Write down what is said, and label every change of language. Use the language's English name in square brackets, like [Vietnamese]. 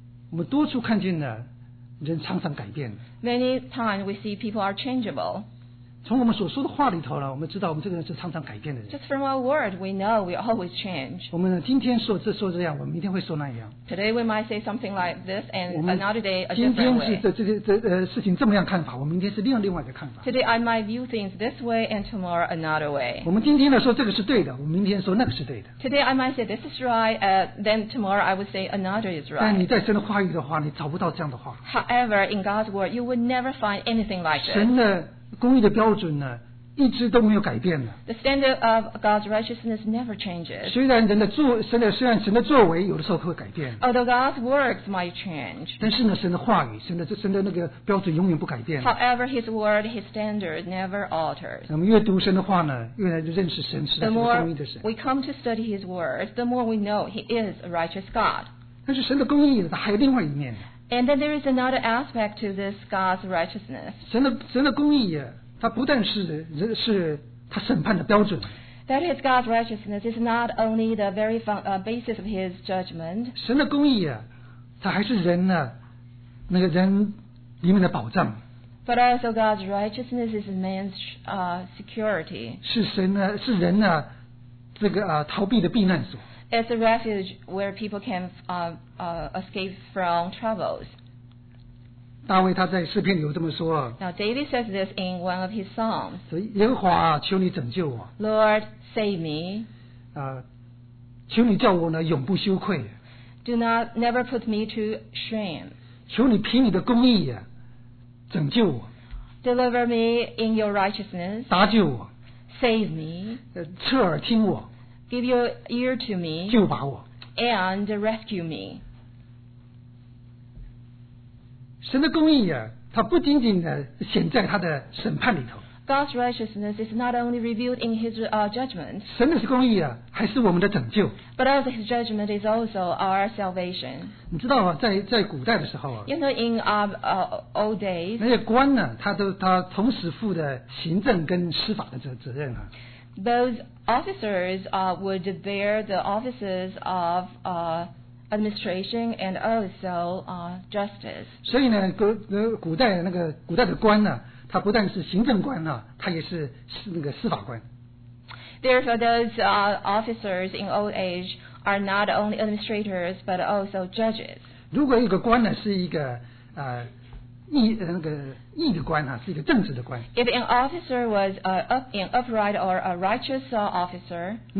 [Chinese] 我们多处看见呢, 人常常改变, [English] many times we see people are changeable. [Chinese] 从我们所说的话里头呢, 我们知道我们这个人是常常改变的人。 [English] Just from our word, we know we always change. [Chinese] 我们今天说这样, 我们明天会说那样。 [English] Today we might say something like this, and another day a different way. [Chinese] 今天是事情这么样看法, 我明天是另外的看法。 [English] Today I might view things this way, and tomorrow another way. [Chinese] 我们今天说这个是对的, 我们明天说那个是对的。 [English] Today I might say this is right, then tomorrow I would say another is right. [Chinese] 但你在神的话语的话, 你找不到这样的话。 [English] However, in God's word, you would never find anything like this. [Chinese] 神的 公义的标准呢, 一直都没有改变的。 [English] The standard of God's righteousness never changes. [Chinese] 虽然神的作为有的时候会改变。 [English] Although God's works might change. [Chinese] 但是呢, 神的话语, 神的那个标准永远不改变。 [English] However, His word, His standard never alters. [Chinese] 那么越读神的话呢, 越来越认识神是公义的神。 [English] The more we come to study His word, the more we know He is a righteous God. [Chinese] 但是神的公义呢, 它还有另外一面。 [English] And then there is another aspect to this God's righteousness. [Chinese] 神的公义啊, 它不但是, 它审判的标准, [English] that is God's righteousness is not only the very basis of His judgment. [Chinese] 神的公义啊, 它还是人啊, 那个人里面的保障, [English] but also God's righteousness is man's security. [Chinese] 是神啊, 是人啊, 这个啊, 逃避的避难所。 [English] It's a refuge where people can escape from troubles. [Chinese] 大卫他在诗篇里有这么说啊, [English] now David says this in one of his psalms. [Chinese] 耶和华啊,求你拯救我。 [English] Lord, save me. [Chinese] 求你叫我呢,永不羞愧。 [English] Do not never put me to shame. [Chinese] 求你凭你的公义啊,拯救我。 [English] Deliver me in your righteousness. [Chinese] 搭救我。 [English] Save me. [Chinese] 侧耳听我。 [English] Give your ear to me, [Chinese] 救拔我, [English] and rescue me. [Chinese] 神的公义啊, 它不仅仅显在他的审判里头。 [English] God's righteousness is not only revealed in His judgment. [Chinese] 神的公义啊, 还是我们的拯救。 [English] But also His judgment is also our salvation. [Chinese] 你知道啊, 在古代的时候啊, [English] you know, in old days, [Chinese] 那些官呢, 他同时负的行政跟司法的责任啊。 [English] Those officers would bear the offices of administration and also justice. [Chinese] 所以呢，古代的官呢, 他不但是行政官呢, 他也是那个司法官。 [English] Therefore, those officers in old age are not only administrators but also judges. [Chinese] 如果一个官呢, 是一个, 义的官啊，是一个正直的官。 [English] If an officer was an upright or a righteous officer,